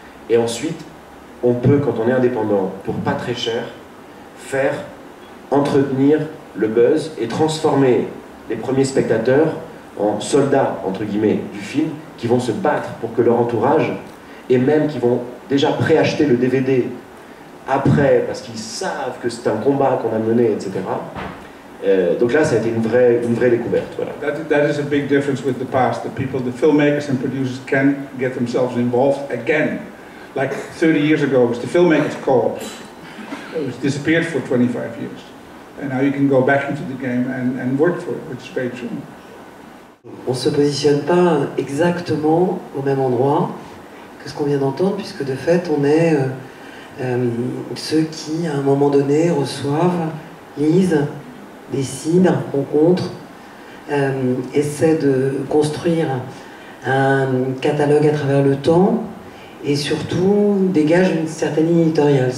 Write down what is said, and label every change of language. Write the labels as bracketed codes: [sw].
[fr] Et ensuite, on peut, quand on est indépendant, pour pas très cher, faire entretenir le buzz et transformer les premiers spectateurs en soldats, entre guillemets, du film, qui vont se battre pour que leur entourage, et même qui vont déjà préacheter le DVD après, parce qu'ils savent que c'est un combat qu'on a mené, etc. Donc là, ça a été une vraie découverte. Voilà. [en] That is a big difference with the past. The people, the filmmakers and producers can get themselves involved again. Like 30 years ago, it was the filmmakers' co-op. It was disappeared for 25 years. And now you can go back into the game and work for it, which is very true. [fr] On se positionne pas exactement au même endroit que ce qu'on vient d'entendre, puisque de fait, on est ceux qui, à un moment donné, reçoivent, lisent, dessinent, rencontrent, essaient de construire un catalogue à travers le temps et surtout dégagent une certaine ligne éditoriale.